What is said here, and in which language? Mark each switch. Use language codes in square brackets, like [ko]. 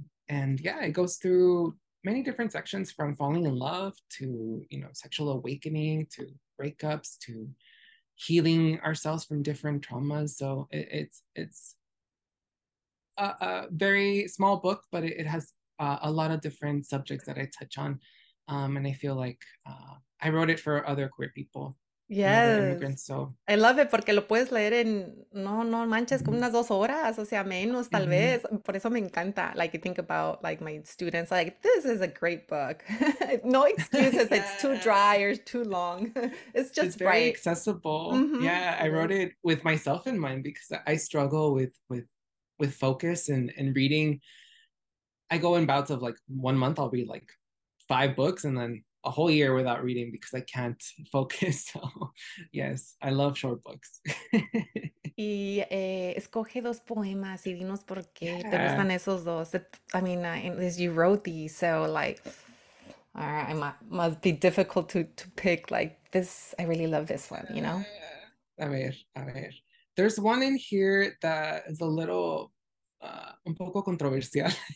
[en] And yeah, it goes through many different sections, from falling in love to, you know, sexual awakening to breakups to healing ourselves from different traumas. So it's a very small book, but it has a lot of different subjects that I touch on. And I feel like I wrote it for other queer people. Yes. So. I love it [es] porque lo puedes leer en no manches, como unas 2 horas, o sea, menos tal vez. Por eso me encanta. [en] Like, I think about like my students, like, this is a great book. No excuses. Yeah. It's too dry or too long. It's just it's very bright. Accessible. Mm-hmm. Yeah, I wrote it with myself in mind because I struggle with focus and reading. I go in bouts of like 1 month, I'll read like 5 books and then a whole year without reading because I can't focus. So yes, I love short books. [es] Y escoge dos poemas y dinos por qué te gustan esos dos. [en] I mean, you wrote these, so like, all right, must be difficult to pick like this. I really love this one, you know? [es] A ver. [en] There's one in here that is a little, [es] un poco [en] controversial.